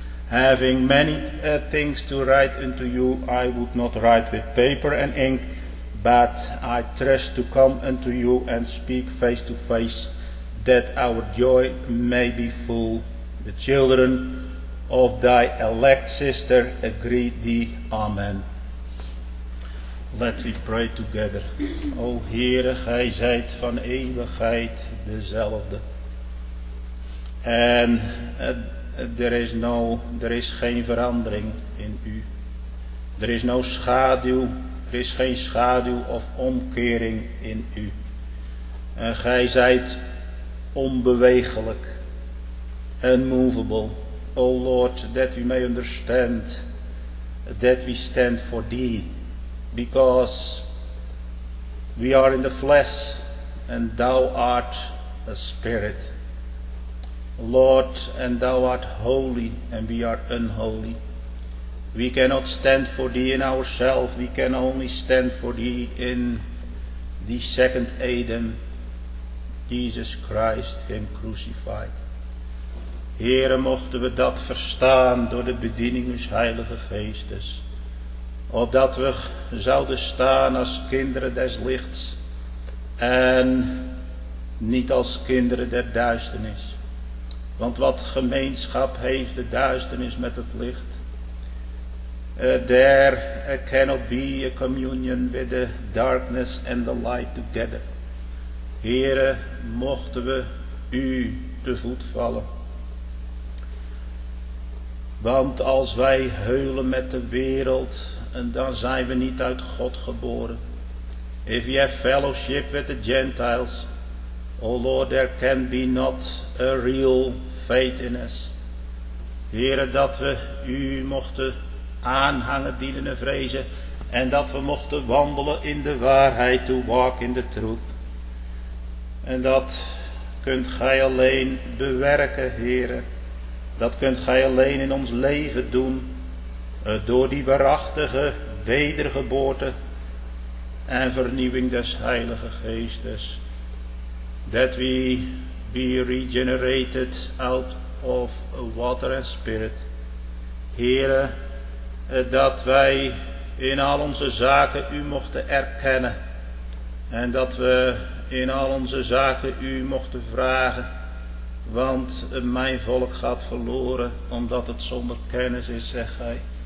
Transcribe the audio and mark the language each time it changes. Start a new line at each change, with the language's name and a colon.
English: Having many things to write unto you, I would not write with paper and ink, but I trust to come unto you and speak face to face, that our joy may be full. The children of thy elect sister agree thee. Amen. Let we pray together.
Dutch: O Heere, gij zijt van eeuwigheid dezelfde. En er is geen verandering in u. Er is no schaduw, er is geen schaduw of omkering in u. En gij zijt onbewegelijk, unmovable.
English: O Lord, that we may understand that we stand for thee. Because we are in the flesh and thou art a spirit. Lord, and thou art holy and we are unholy. We cannot stand for thee in ourselves. We can only stand for thee in the second Adam, Jesus Christ, him crucified.
Dutch: Heere, mochten we dat verstaan door de bediening uw Heilige Geestes. Opdat we zouden staan als kinderen des lichts en niet als kinderen der duisternis. Want wat gemeenschap heeft de duisternis met het licht?
English: There cannot be a communion with the darkness and the light together.
Dutch: Heere, mochten we u te voet vallen. Want als wij heulen met de wereld, en dan zijn we niet uit God geboren.
English: If you have fellowship with the Gentiles, O Lord, there can be not a real faith in us.
Dutch: Heere, dat we u mochten aanhangen, dienen en vrezen, en dat we mochten wandelen in de waarheid,
English: to walk in the truth.
Dutch: En dat kunt gij alleen bewerken, Heere. Dat kunt gij alleen in ons leven doen, door die waarachtige wedergeboorte en vernieuwing des Heilige Geestes.
English: That we be regenerated out of water and spirit.
Dutch: Heere, dat wij in al onze zaken u mochten erkennen. En dat we in al onze zaken u mochten vragen. Want mijn volk gaat verloren omdat het zonder kennis is, zegt gij.